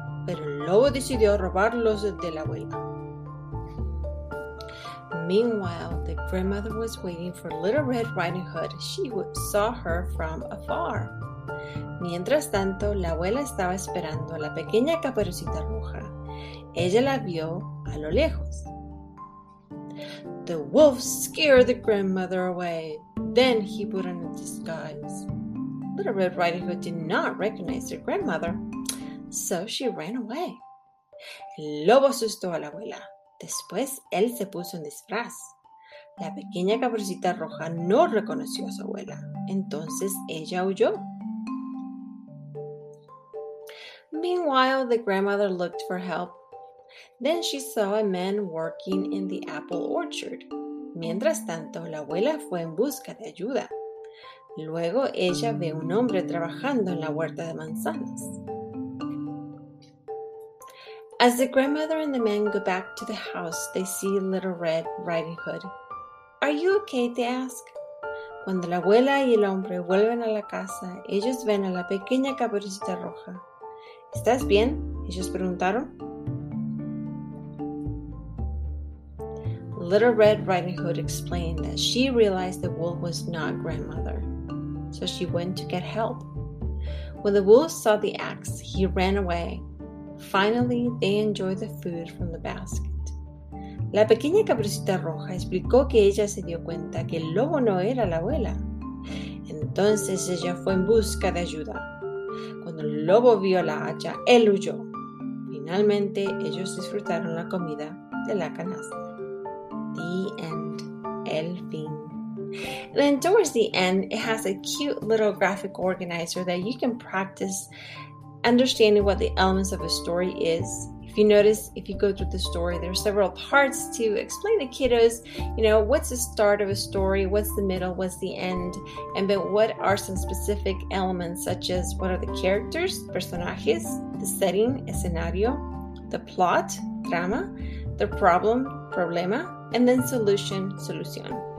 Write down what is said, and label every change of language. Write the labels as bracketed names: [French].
[Spanish] Pero el lobo decidió robarlos de la abuela. [English] Meanwhile, the grandmother was waiting for Little Red Riding Hood. She saw her from afar. [Spanish] Mientras tanto, la abuela estaba esperando a la pequeña Caperucita Roja. Ella la vio a lo lejos. [English] The wolf scared the grandmother away. Then he put on a disguise. Little Red Riding Hood did not recognize her grandmother, so she ran away. [Spanish] El lobo asustó a la abuela. Después, él se puso en disfraz. La pequeña Caperucita Roja no reconoció a su abuela. Entonces, ella huyó. [English] Meanwhile, the grandmother looked for help. Then she saw a man working in the apple orchard. [Spanish] Mientras tanto, la abuela fue en busca de ayuda. Luego, ella ve un hombre trabajando en la huerta de manzanas. [English] As the grandmother and the man go back to the house, they see Little Red Riding Hood. "Are you okay?" they ask. [Spanish] Cuando la abuela y el hombre vuelven a la casa, ellos ven a la pequeña Caperucita Roja. ¿Estás bien?, ellos preguntaron. [English] Little Red Riding Hood explained that she realized the wolf was not grandmother, so she went to get help. When the wolf saw the axe, he ran away. Finally, they enjoyed the food from the basket. [Spanish] La pequeña Caperucita Roja explicó que ella se dio cuenta que el lobo no era la abuela. Entonces ella fue en busca de ayuda. Cuando el lobo vio la hacha, él huyó. Finalmente, ellos disfrutaron la comida de la canasta. [English] The end. [Spanish] El fin. [English] And then towards the end, it has a cute little graphic organizer that you can practice understanding what the elements of a story is. If you notice, if you go through the story, there are several parts to explain to kiddos, you know, what's the start of a story, what's the middle, what's the end, and then what are some specific elements, such as what are the characters, personajes, the setting, escenario, the plot, trama, the problem, problema, and then solution, solución.